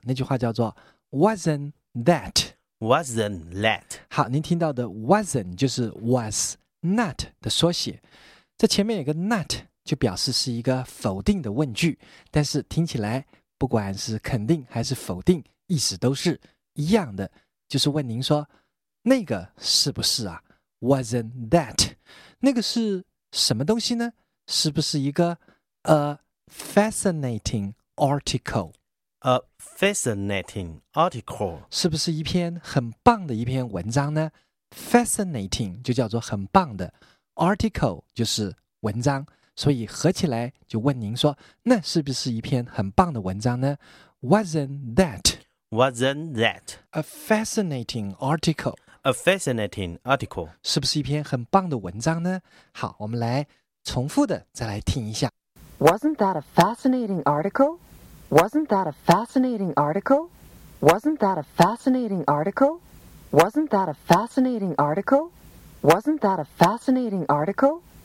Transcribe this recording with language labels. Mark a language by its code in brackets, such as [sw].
[zh] 那句话叫做 [en] Wasn't that [zh] 好，您听到的 wasn't 就是 [en] was not [zh] 的缩写，这前面有个 not 就表示是一个否定的问句，但是听起来不管是肯定还是否定，意思都是一样的，就是问您说那个是不是啊， [en] wasn't that [zh] 那个是什么东西呢？是不是一个 [en] a fascinating article， a fascinating article [zh] 是不是一篇很棒的一篇文章呢？fascinating 就叫做很棒的， article 就是文章，所以合起来就问您说那是不是一篇很棒的文章呢？ [en] Wasn't that a fascinating article? A fascinating article [zh] 是不是一篇很棒的文章呢？好，我们来重复的再来听一下。 [en] Wasn't that a fascinating article? Wasn't that a fascinating article? Wasn't that a fascinating article? Wasn't that a fascinating article? Wasn't that a fascinating article?